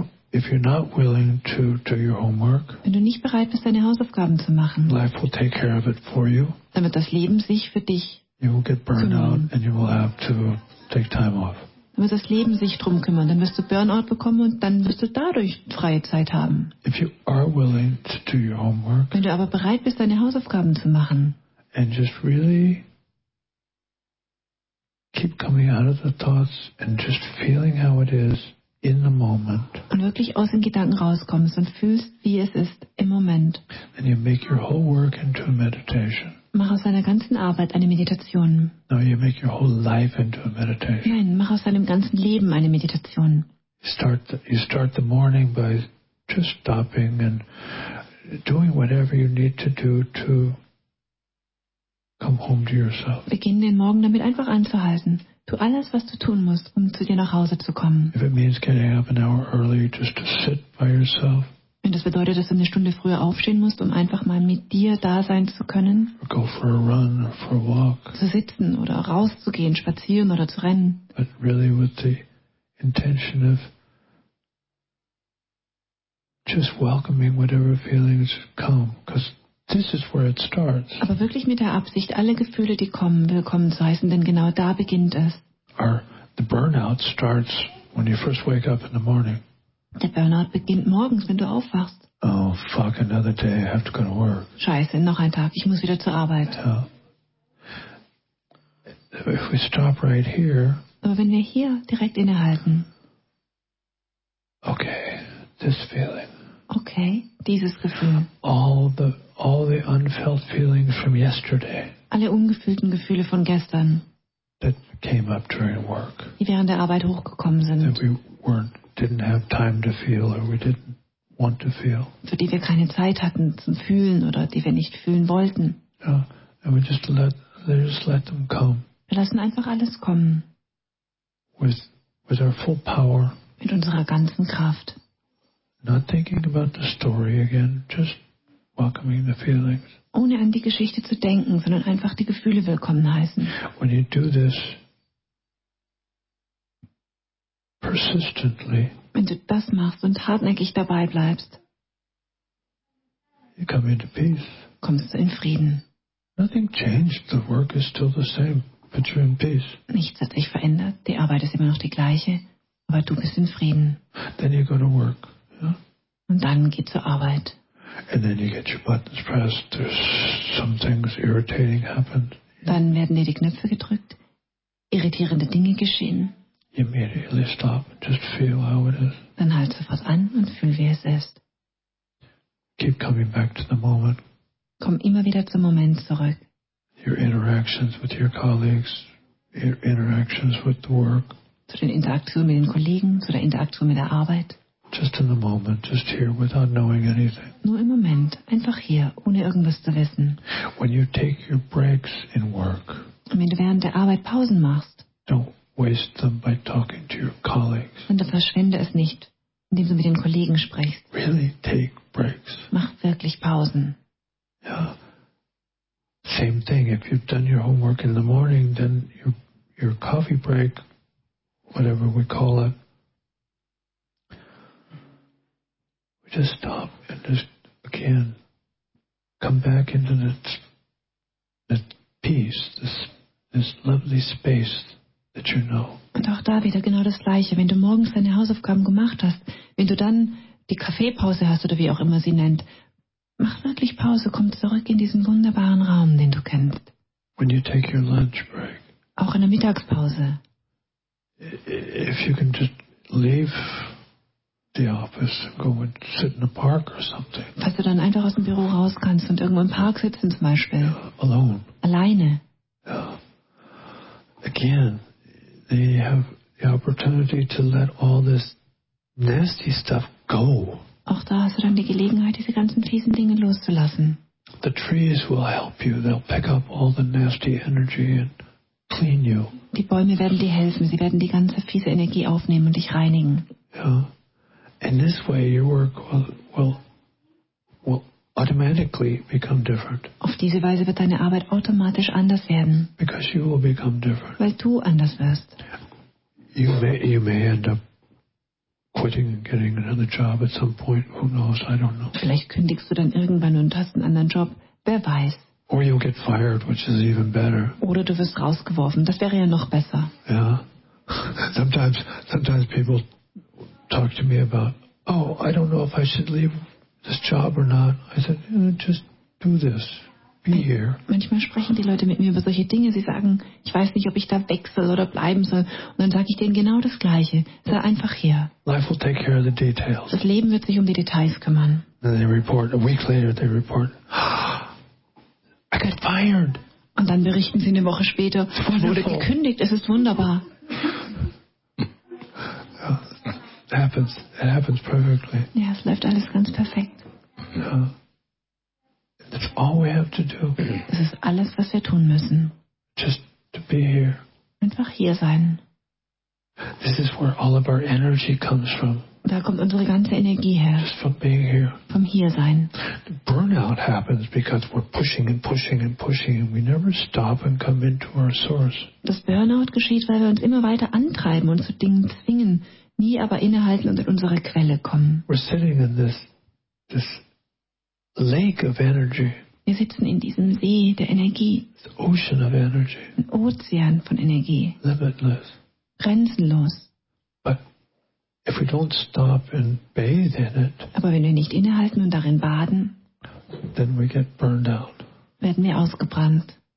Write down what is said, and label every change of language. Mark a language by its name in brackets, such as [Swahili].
[English] If you're not willing to do your homework, [German] wenn du nicht bereit bist, deine Hausaufgaben zu machen, [English] life will take care of it for you. [German] Dann wird das Leben sich für dich. [English] You will get burnout and you will have to take time off. [German] Dann wird das Leben sich drum kümmern. Dann wirst du Burnout bekommen und dann wirst du dadurch freie Zeit haben. [English] If you are willing to do your homework, [German] wenn du aber bereit bist, deine Hausaufgaben zu machen, [English] and just really keep coming out of the thoughts and just feeling how it is. In the moment. [German] Und wirklich aus den Gedanken rauskommst und fühlst, wie es ist im Moment. [English] And you make your whole work into a meditation. [German] Mach aus deiner ganzen Arbeit eine Meditation. [English] No, you make your whole life into a meditation. [German] Nein, mach aus deinem ganzen Leben eine Meditation. [English] You start the morning by just stopping and doing whatever you need to do to come home to yourself. [German] Beginn den Morgen damit einfach anzuhalten. Tu alles, was du tun musst, um zu dir nach Hause zu kommen. [English] If it means getting up an hour early just to sit by yourself. [German] Wenn das bedeutet, dass du eine Stunde früher aufstehen musst, um einfach mal mit dir da sein zu können. [English] Or go for a run or for a walk. [German] Zu sitzen oder rauszugehen, spazieren oder zu rennen. [English] But really with the intention of just welcoming whatever feelings come, because this is where it starts. [German] Aber wirklich mit der Absicht, alle Gefühle, die kommen, willkommen zu heißen, denn genau da beginnt es. [English] Or the burnout starts when you first wake up in the morning. [German] Der Burnout beginnt morgens, wenn du aufwachst. [English] Oh fuck, another day, I have to go to work. [German] Scheiße, noch ein Tag, ich muss wieder zur Arbeit. [English] Yeah. If we stop right here. [German] Aber wenn wir hier direkt innehalten. [English] Okay, this feeling. [German] Okay, dieses Gefühl. [English] All the unfelt feelings from yesterday. [German] Alle ungefühlten Gefühle von gestern. [English] That came up during work. [German] Die während der Arbeit hochgekommen sind. [English] That we didn't have time to feel or we didn't want to feel. [German] Für die wir keine Zeit hatten zum Fühlen oder die wir nicht fühlen wollten. [English] Yeah, and we just let them come. [German] Wir lassen einfach alles kommen. [English] With our full power. [German] Mit unserer ganzen Kraft. [English] Not thinking about the story again, just welcoming the feelings. [German] Ohne an die Geschichte zu denken, sondern einfach die Gefühle willkommen heißen. [English] When you do this persistently, [German] wenn du das machst und hartnäckig dabei bleibst, [English] you come into peace. [German] Kommst du in Frieden. [English] Nothing changed. The work is still the same, but you're in peace. [German] Nichts hat sich verändert. Die Arbeit ist immer noch die gleiche, aber du bist in Frieden. [English] Then you go to work. [German] Und dann geht zur Arbeit. [English] And then you get your buttons pressed. There's some things irritating happen. [German] Dann werden dir die Knöpfe gedrückt. Irritierende Dinge geschehen. [English] immediately stop. Just feel how it is. [German] Dann halt sofort an und fühl, wie es ist. [English] Keep coming back to the moment. [German] Komm immer wieder zum Moment zurück. [English] Your interactions with your colleagues, your interactions with the work. [German] Zu den Interaktionen mit den Kollegen, zu der Interaktion mit der Arbeit. [English] Just in the moment, just here, without knowing anything. [German] Nur im Moment, einfach hier, ohne irgendwas zu wissen. [English] When you take your breaks in work. [German] Wenn du während der Arbeit Pausen machst. [English] Don't waste them by talking to your colleagues. [German] Und du verschwende es nicht, indem du mit den Kollegen sprichst. [English] Really take breaks. [German] Mach wirklich Pausen. [English] Yeah. Same thing. If you've done your homework in the morning, then your coffee break, whatever we call it. Just stop and just again come back into that peace, this lovely space that you know. [German] Und auch da wieder genau das Gleiche. Wenn du morgens deine Hausaufgaben gemacht hast, wenn du dann die Kaffeepause hast oder wie auch immer sie nennt, mach wirklich Pause, komm zurück in diesen wunderbaren Raum, den du kennst. [English] When you take your lunch break. [German] Auch in der Mittagspause. [English] If you can just leave the office and go and sit in a park or something. [German] Falls du dann einfach aus dem Büro raus kannst und irgendwo im Park sitzen zum Beispiel. [English] Yeah, alone. [German] Alleine. [English] Yeah. Again, they have the opportunity to let all this nasty stuff go. [German] Auch da hast du dann die Gelegenheit, diese ganzen fiesen Dinge loszulassen. [English] The trees will help you. They'll pick up all the nasty energy and clean you. [German] Die Bäume werden dir helfen. Sie werden die ganze fiese Energie aufnehmen und dich reinigen. [English] Yeah. In this way, your work will automatically become different. [German] Auf diese Weise wird deine Arbeit automatisch anders werden. [English] Because you will become different. [German] Weil du anders wirst. [English] You may end up quitting and getting another job at some point. Who knows? I don't know. [German] Vielleicht kündigst du dann irgendwann und hast einen anderen Job. Wer weiß? [English] Or you'll get fired, which is even better. [German] Oder du wirst rausgeworfen. Das wäre ja noch besser. [English] Yeah. Sometimes people talk to me about, oh, I don't know if I should leave this job or not. I said, just do this. Be here. [German] Manchmal sprechen die Leute mit mir über solche Dinge. Sie sagen, ich weiß nicht, ob ich da wechsel oder bleiben soll. Und dann sage ich denen genau das Gleiche. Sei einfach hier. [English] Life will take care of the details. [German] Das Leben wird sich um die Details kümmern. [English] And they report, a week later they report, I got fired. [German] Und dann berichten sie eine Woche später, ich wurde gekündigt. Es ist wunderbar. [English] It happens perfectly. [German] Ja, es läuft alles ganz perfekt. [English] Yeah. That's all we have to do. [German] Das ist alles, was wir tun müssen. [English] Just to be here. [German] Einfach hier sein. [English] This is where all of our energy comes from. [German] Da kommt unsere ganze Energie her. [English] Just from being here. [German] Vom hier sein. [English] Burnout happens because we're pushing and pushing and pushing and we never stop and come into our source. [German] Das Burnout geschieht, weil wir uns immer weiter antreiben und zu Dingen zwingen, nie aber innehalten und in unsere Quelle kommen. [English] We're sitting in this lake of energy. [German] Wir sitzen in diesem See der Energie. [English] This ocean of energy. [German] Ein Ozean von Energie. [English] Limitless. [German] Grenzenlos. [English] But if we don't stop and bathe in it, [German] aber wenn wir nicht innehalten und darin baden, [English] then we get burned out. [German] Werden wir ausgebrannt.